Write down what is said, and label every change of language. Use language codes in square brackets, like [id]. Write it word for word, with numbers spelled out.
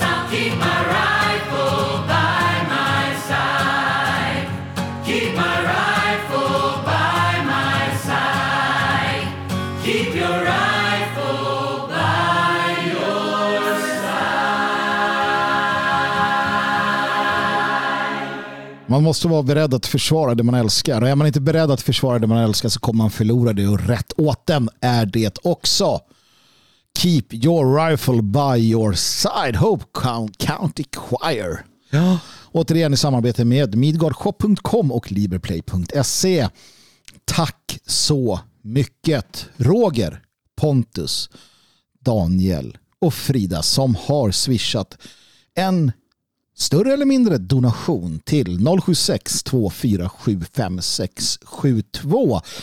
[en] I'll keep my rifle by my side, keep my rifle by my side, keep your rifle by your side. [sv] Man måste vara beredd att försvara det man älskar. Och är man inte beredd att försvara det man älskar så kommer man förlora det. Och rätt åt den är det också. [en] Keep your rifle by your side. Hope County Choir. [sv] Ja. Återigen i samarbete med midgardshop punkt com och liberplay punkt se. Tack så mycket Roger, Pontus, Daniel och Frida som har swishat en större eller mindre donation till noll sju sex två fyra sju fem sex sju två.